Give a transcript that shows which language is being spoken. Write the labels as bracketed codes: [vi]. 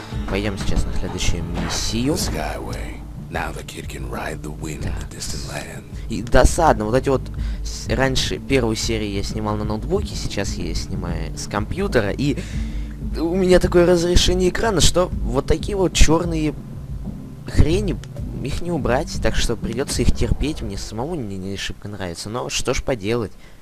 [ru] Пойдем сейчас на следующую миссию. [en] Skyway. Now the kid can ride the wind in the distant land. [ru] И досадно, вот эти вот... Раньше первую серию я снимал на ноутбуке, сейчас я снимаю с компьютера, и... У меня такое разрешение экрана, что вот такие вот черные хрени, их не убрать, так что придется их терпеть, мне самому не шибко нравится, но что ж поделать.